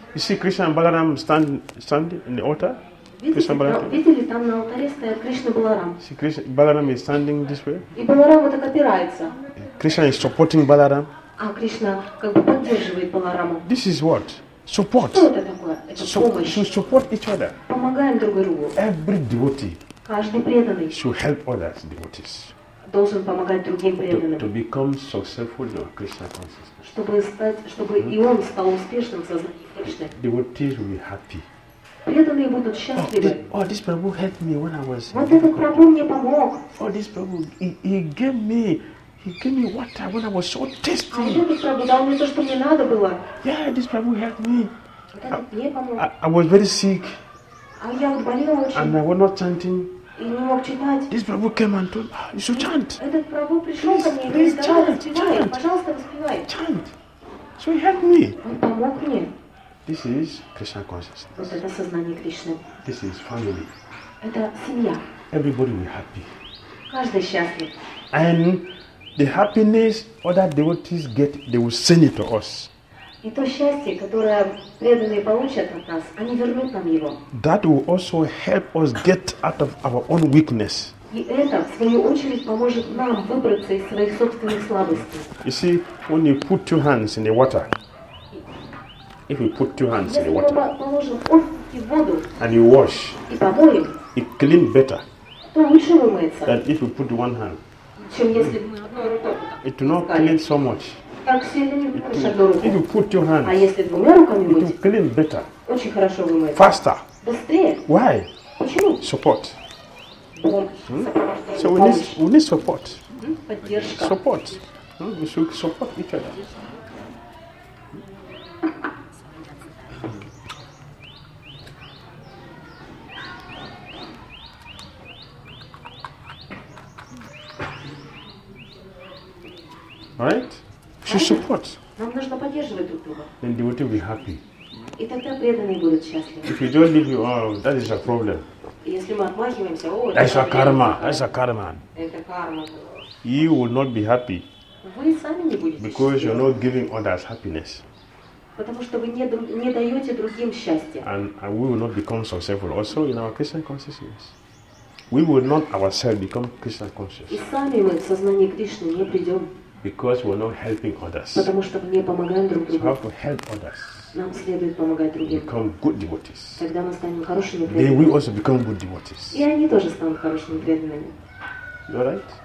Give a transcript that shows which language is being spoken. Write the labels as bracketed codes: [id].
[en] You see Krishna and Balaram stand in the altar. [ru] Видели, там на алтаре стоят Кришна Баларам. [en] See, Krishna, Balaram is standing this way. [ru] И Баларам вот так опирается. [en] Krishna is supporting Balaram. [ru] А Кришна как бы поддерживает Баларама. [en] This is what? Support. [ru] Что это такое? Это помощь. [en] Should support each other. [ru] Помогаем друг другу. [en] Every devotee. [ru] Каждый преданный. [en] Should help others, devotees. [ru] Должен помогать другим преданным. [en] To become successful in Krishna consciousness. [ru] Чтобы и он стал успешным в сознании Кришны. [en] Devotees will be happy. [ru] Преданные будут счастливы. [en] This Prabhu helped me when I was. [ru] Вот этот Прабху мне помог. [en] Oh, this Prabhu, he gave me water when I was so thirsty. [ru] А вот этот Прабху дал мне то, что мне надо было. [en] Yeah, this Prabhu helped me. [ru] Вот этот мне помог. [en] I was very sick. [ru] А я вот болела очень. [en] And I was not chanting. [ru] И не мог читать. [en] This Prabhu came and told, you should chant. [ru] Этот Прабху пришел ко мне и говорит, давай воспевай, пожалуйста, воспевай. [en] Chant. So he helped me. [ru] Он помог мне. [en] This is Krishna consciousness. [ru] Вот это сознание Кришны. [en] This is family. [ru] Это семья. [en] Everybody will be happy. [ru] Каждый счастлив. [en] And The happiness other devotees get, they will send it to us. [ru] И то счастье, которое преданные получат от нас, они вернут нам его. [en] That will also help us get out of our own weakness. [ru] И это, в свою очередь, поможет нам выбраться из своих собственных слабостей. [en] You see, when you put two hands in the water, if you put two hands [ru] если [en] in the water, [ru] положим, в воду, [en] and you wash, [ru] и помоем, [en] it clean better, [ru] то лучше вымоется, [en] than if you put one hand. [ru] Чем если одной рукой. [en] It will not clean so much. If you put your hands, it will clean better, faster. Why? [ru] Почему? [en] Support. Hmm? So we need support. [ru] Поддержка. [en] Support. We should support each other. Right? She supports. [ru] Нам нужно поддерживать друг друга. [en] Then devotee will be happy. [ru] И тогда преданные будут счастливы. [en] If you don't leave you, oh, that is a problem. [ru] Если мы отмахиваемся, о, [en] that's a karma. That's a karma. [ru] Это карма. [en] You will not be happy. [ru] Вы сами не будете. [en] Because [ru] счастливы. [en] You're not giving others happiness. [ru] Потому что вы не даете другим счастья. [en] And we will not become successful. Also in our Christian consciousness, we will not ourselves become Christian conscious. [ru] И сами мы в сознании Кришны не придем. [en] Because we're not helping others. [ru] Потому что мы не помогаем друг другу. [en] So we have to help others. [ru] Нам следует помогать другим. [en] Become good devotees. [ru] Тогда мы станем хорошими преданными. [en] They will also become good devotees. [ru] И они тоже станут хорошими преданными. [en] You alright?